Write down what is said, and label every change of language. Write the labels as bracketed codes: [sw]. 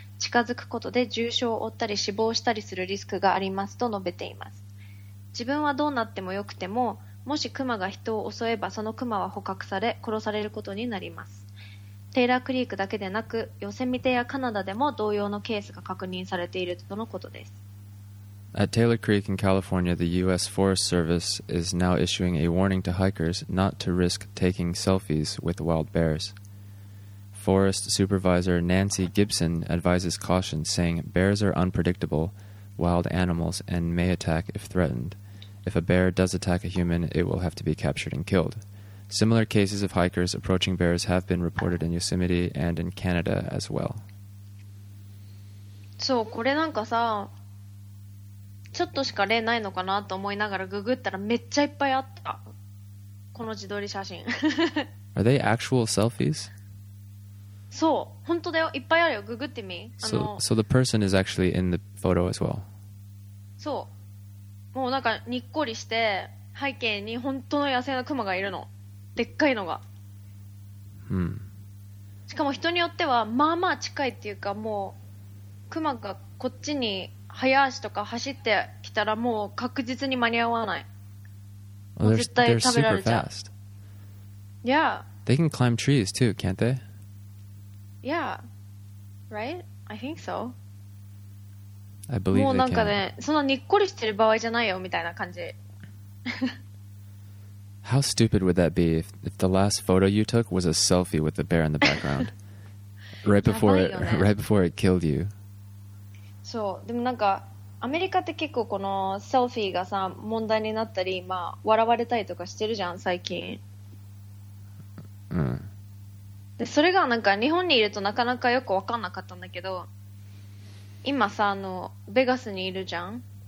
[ja] 近づくことで重傷を負ったり死亡したりするリスクがありますと述べています。自分はどうなってもよくても、もしクマが人を襲えば、そのクマは捕獲され殺されることになります。テイラークリークだけでなく、ヨセミテやカナダでも同様のケースが確認されているとのことです。 [en] At Taylor Creek in California, the U.S. Forest Service is now issuing a warning to hikers not to risk taking selfies with wild bears. Forest Supervisor Nancy Gibson advises caution, saying bears are unpredictable wild animals and may attack if threatened. If a bear does attack a human, it will have to be captured and killed. Similar cases of hikers approaching bears have been reported in Yosemite and in Canada as well. [ja] そう、これなんかさ、ちょっとしか例ないのかなと思いながらググったらめっちゃいっぱいあった。この自撮り写真。 [en] Are they actual selfies? [ja] そう、本当だよ。いっぱいあるよ。ググってみ。 [en] So the person is actually in the photo as well. [ja] そう。もうなんかにっこりして背景に本当の野生のクマがいるの。でっかいのが、うん、しかも人によってはまあまあ近いっていうか、もうクマがこっちに早足とか走ってきたらもう確実に間に合わない。もう絶対食べられちゃう。 [en] They're super fast. Yeah. They can climb trees too, can't they? Yeah. Right? I think so. I believe they can. [ja] もうなんかね、そんなにっこりしてる場合じゃないよみたいな感じ。 [en] How stupid would that be if the last photo you took was a selfie with the bear in the background? right before it killed you. [ja] そう、でもなんかアメリカって結構このセルフィーがさ問題になったり、まあ笑われたりとかしてるじゃん最近。うん。でそれがなんか日本にいるとなかなかよく分かんなかったんだけど、今さあのベガスにいるじゃん。